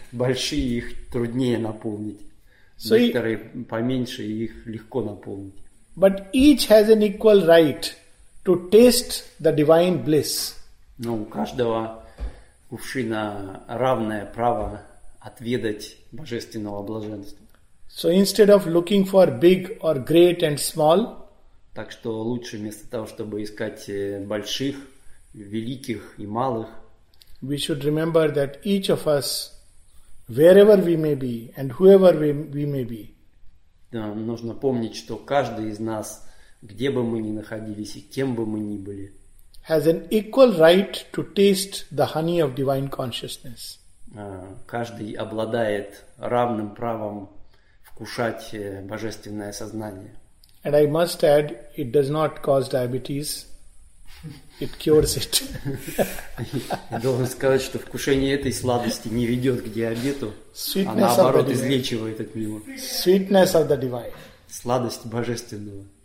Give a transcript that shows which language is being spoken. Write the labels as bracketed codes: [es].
[ru] Большие их труднее наполнить. So некоторые поменьше их легко наполнить. [en] But each has an equal right to taste the divine bliss. [ru] Но у каждого кувшина равное право отведать божественного блаженства. [en] So instead of looking for big or great and small, [ru] так что лучше вместо того, чтобы искать больших, великих и малых, [en] we should remember that each of us, wherever we may be and whoever we may be, [ru] нужно помнить, что каждый из нас, где бы мы ни находились и кем бы мы ни были, [en] has an equal right to taste the honey of divine consciousness. [ru] Каждый обладает равным правом вкушать божественное сознание. [en] And I must add, it does not cause diabetes. It cures it. [ru] Я должен сказать, что вкушение этой сладости не ведет к диабету, а наоборот излечивает от него. [en] Sweetness of the divine. [ru] Сладость божественного.